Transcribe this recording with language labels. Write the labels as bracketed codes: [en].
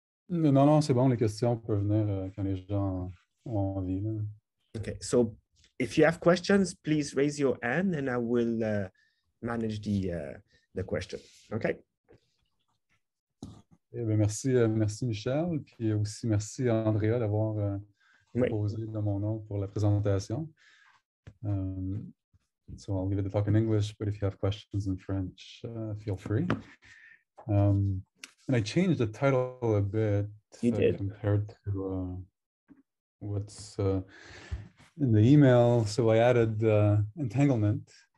[fr] No, c'est bon, les questions peuvent venir quand les gens ont envie. Là. [en] Okay, so if you have questions, please raise your hand and I will manage the question, okay? [fr] Eh bien, merci Michel, puis aussi merci à Andrea d'avoir proposé de mon nom pour la présentation. [en] So I'll give it the talk in English, but if you have questions in French, feel free. And I changed the title a bit. You did. Compared to what's in the email. So I added entanglement.